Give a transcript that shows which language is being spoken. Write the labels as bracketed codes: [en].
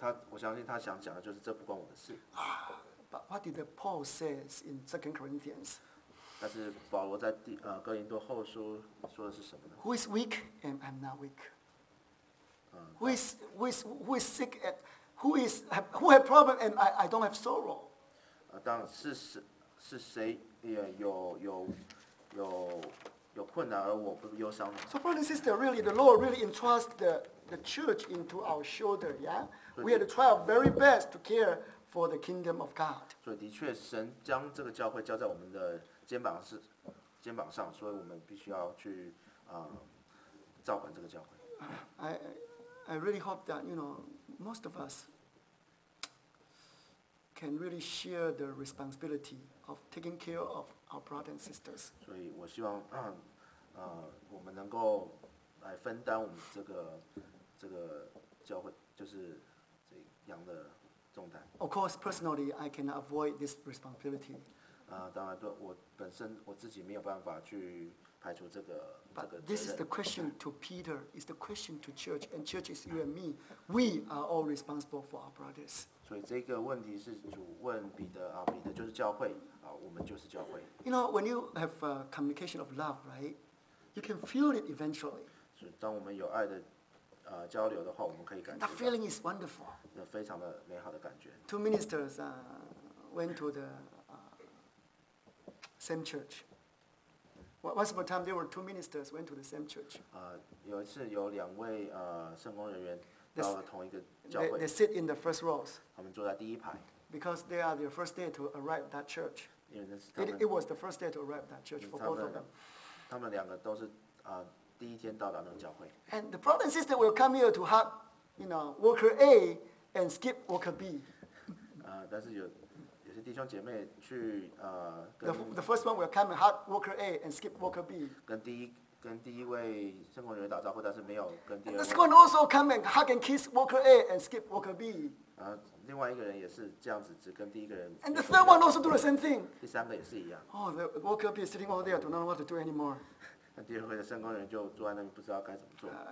[zh] 我相信他想讲的就是这不关我的事。 [en] But what did Paul says in 2 Corinthians? [zh] 但是保罗在哥林多后书说的是什么呢？ [en] Who is weak and I'm not weak. Who is sick and who have problem and I don't have sorrow. [zh] 当然是谁有困难而我不忧伤呢？ [en] So brother and sister, really the Lord really entrust the church into our shoulder, yeah. We are to try our very best to care for the kingdom of God. [zh] 所以的确，神将这个教会交在我们的肩膀上，所以我们必须要去照管这个教会。 [en] I really hope that you know most of us can really share the responsibility of taking care of our brothers and sisters. [zh] 所以我希望我们能够来分担我们这个教会，就是这羊的重担。 [en] Of course, personally, I cannot avoid this responsibility. [zh] 当然对我本身我自己没有办法去排除这个责任。 [en] But this is the question to Peter. It's the question to church, and church is you and me. We are all responsible for our brothers. [zh] 所以这个问题是主问彼得彼得就是教会我们就是教会。 [en] You know, when you have a communication of love, right? You can feel it eventually. [zh] 当我们有爱的交流的话，我们可以感觉到。 [en] That feeling is wonderful. [zh] 那非常的美好的感觉。 [en] Two ministers went to the same church. Once upon a time, there were two ministers went to the same church. [zh] 有一次有两位圣工人员到了同一个教会。 [en] They sit in the first rows. [zh] 他们坐在第一排。 [en] Because they are their first day to arrive at that church. [zh] 因为那是他们。 [en] It was the first day to arrive at that church for both of them. [zh] 他们两个都是第一天到达那个教会。 [en] And the brother and sister will come here to hug, you know, worker A and skip worker B. [zh] 但是有些弟兄姐妹去 [en] The first one will come and hug worker A and skip worker B. [zh] 跟第一位圣工人员打招呼，但是没有跟第二位。 [en] And the second one also come and hug and kiss worker A and skip worker B. [zh] 另外一个人也是这样子，只跟第一个人。 [en] And the third one also do the same thing. [zh] 第三个也是一样。 [en] Oh, the worker B is sitting over there, do not know what to do anymore. [zh] 那第二位的圣工人就坐在那里，不知道该怎么做。